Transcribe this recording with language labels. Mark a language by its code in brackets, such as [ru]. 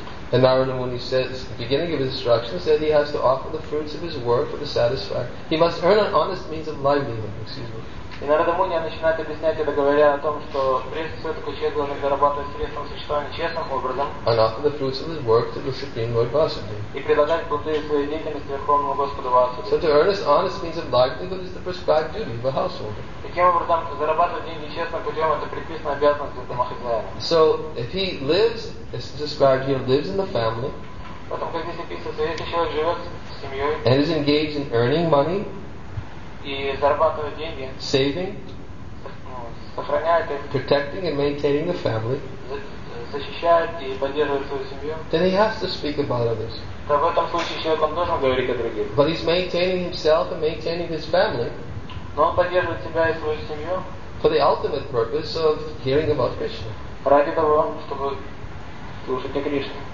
[en] And Narada Muni says, the beginning of his instructions, that he has to offer the fruits of his work for the satisfaction. He must earn an honest means of livelihood. Excuse me. [ru] И Нарада Муни начинает объяснять это, говоря о том, что прежде всего такой человек должен зарабатывать средства на существование честным образом [en] and offer the fruits of his work to the Supreme Lord Vasudeva. [ru] И предлагать плоды своей деятельности Верховному Господу Васудеве. [en] So to earn his honest means of livelihood is the prescribed duty of a householder. [ru] Таким образом, зарабатывать деньги честным путем — это предписанная обязанность для домохозяина. [en] So if he lives, it's described here, lives in the family, [ru] потом, как здесь описывается, если человек живет с семьей [en] and is engaged in earning money, [ru] и зарабатывает деньги, [en] saving, [ru] сохраняет их, [en] protecting and maintaining the family, [ru] защищает и поддерживает свою семью, [en] then he has to speak about others. [ru] То в этом случае человек должен говорить о других. [en] But he's maintaining himself and maintaining his family. [ru] Но он поддерживает себя и свою семью [en] for the ultimate purpose of hearing about Krishna. [ru] Ради того, чтобы слушать о Кришне.